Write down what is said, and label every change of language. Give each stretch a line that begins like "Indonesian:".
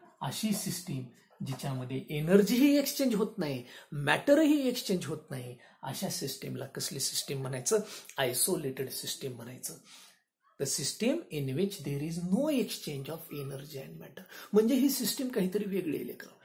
Marathi: अशी सिस्टीम जिच्यामध्ये एनर्जीही एक्सचेंज होत नाही, मॅटरही एक्सचेंज होत नाही, अशा सिस्टीमला कसली सिस्टीम म्हणायचं? आयसोलेटेड सिस्टीम म्हणायचं.
English: The system in which there is no exchange of energy and matter.
Marathi: म्हणजे ही सिस्टीम काहीतरी वेगळी आहे का?